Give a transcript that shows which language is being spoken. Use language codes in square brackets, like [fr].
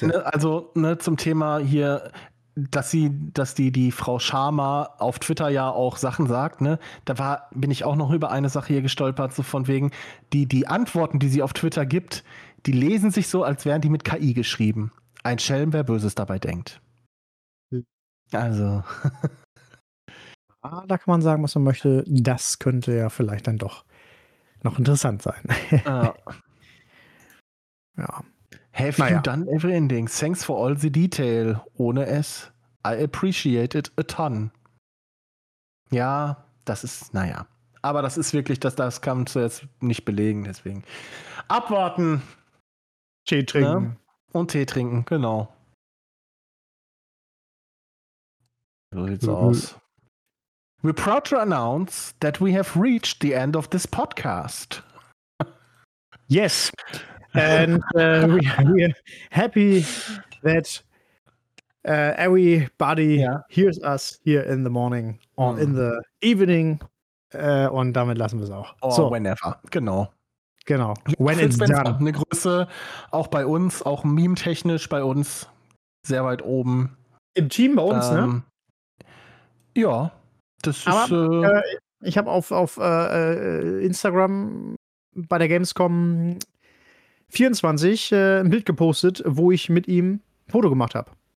[de] Ne, also ne, zum Thema hier, dass die Frau Sharma auf Twitter ja auch Sachen sagt, ne, da bin ich auch noch über eine Sache hier gestolpert, so von wegen, die Antworten, die sie auf Twitter gibt, die lesen sich so, als wären die mit KI geschrieben. Ein Schelm, wer Böses dabei denkt. Also. Da kann man sagen, was man möchte. Das könnte ja vielleicht dann doch noch interessant sein. Ja. [en] Have you done every ending? Thanks for all the detail. [de] Ohne es, [en] I appreciate it a ton. [de] Ja, das ist, naja. Aber das ist wirklich, das kann man jetzt nicht belegen, deswegen. Abwarten. Tee trinken. Ne? Und Tee trinken, genau. So sieht's aus. [en] We're proud to announce that we have reached the end of this podcast. Yes. And we're happy that Everybody hears us here in the morning, in the evening. [de] Und damit lassen wir es auch. [en] Oh, so. Whenever. Genau. [de] Genau. [en] When it's done. [de] Eine Grüße auch bei uns, auch meme-technisch bei uns. Sehr weit oben. Im Team bei uns, ne? Ja. Das aber, ist. Ich habe auf Instagram bei der Gamescom 24 ein Bild gepostet, wo ich mit ihm ein Foto gemacht habe.